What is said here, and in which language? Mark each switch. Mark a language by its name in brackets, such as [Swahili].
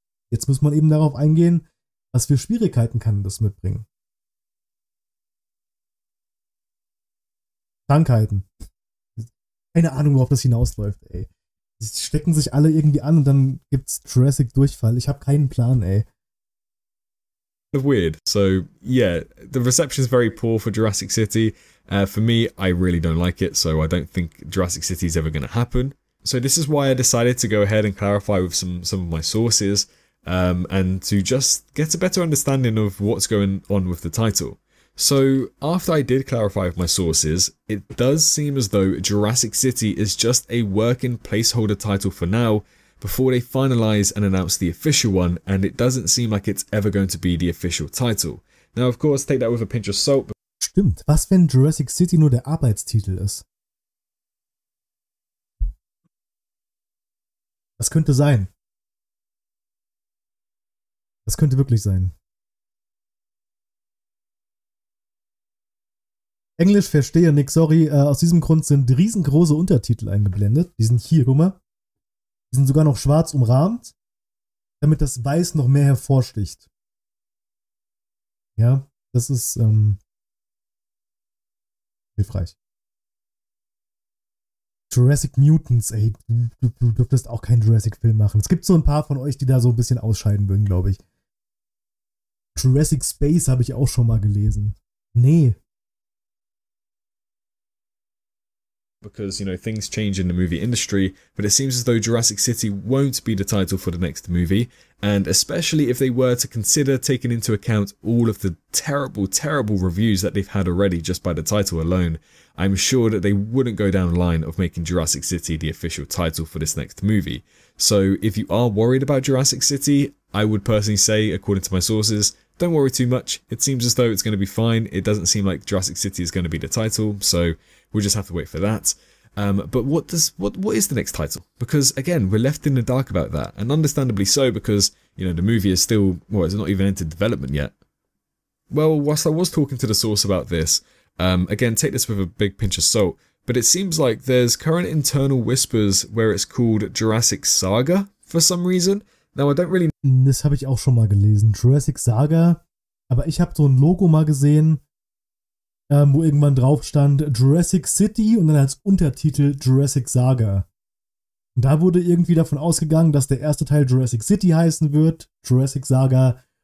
[German] Jetzt muss man eben darauf eingehen, was für Schwierigkeiten kann das mitbringen. Krankheiten. Keine Ahnung, worauf das hinausläuft, ey. Sie stecken sich alle irgendwie an und dann gibt's Jurassic-Durchfall. Ich habe keinen Plan, ey. [English] Weird. So, yeah, the reception is very poor for Jurassic City. For me, I really don't like it, so I don't think Jurassic City is ever going to happen. So this is why I decided to go ahead and clarify with some of my sources and to just get a better understanding of what's going on with the title. So after I did clarify with my sources, it does seem as though Jurassic City is just a working placeholder title for now before they finalize and announce the official one, and it doesn't seem like it's ever going to be the official title. Now of course, take that with a pinch of salt. [German] Stimmt, was wenn Jurassic City nur der Arbeitstitel ist? Das könnte sein. Das könnte wirklich sein. Englisch verstehe, Nick, sorry. Aus diesem Grund sind riesengroße Untertitel eingeblendet. Die sind hier, guck mal. Die sind sogar noch schwarz umrahmt, damit das Weiß noch mehr hervorsticht. Ja, das ist hilfreich. Jurassic Mutants, ey, du dürftest auch keinen Jurassic-Film machen. Es gibt so ein paar von euch, die da so ein bisschen ausscheiden würden, glaube ich. Jurassic Space habe ich auch schon mal gelesen. Nee. [English] Because, you know, things change in the movie industry, but it seems as though Jurassic City won't be the title for the next movie, and especially if they were to consider taking into account all of the terrible, terrible reviews that they've had already just by the title alone, I'm sure that they wouldn't go down the line of making Jurassic City the official title for this next movie. So if you are worried about Jurassic City, I would personally say, according to my sources, don't worry too much. It seems as though it's going to be fine. It doesn't seem like Jurassic City is going to be the title, so we'll just have to wait for that. But what is the next title? Because, again, we're left in the dark about that, and understandably so, because, you know, the movie is still, well, it's not even entered development yet. Well, whilst I was talking to the source about this, again, take this with a big pinch of salt, but it seems like there's current internal whispers where it's called Jurassic Saga for some reason. Now, I don't really... [German] Das habe ich auch schon mal gelesen. Jurassic Saga. Aber ich habe so ein Logo mal gesehen, wo irgendwann drauf stand Jurassic City und dann als Untertitel Jurassic Saga. Und da wurde irgendwie davon ausgegangen, dass der erste Teil Jurassic City heißen wird, Jurassic Saga,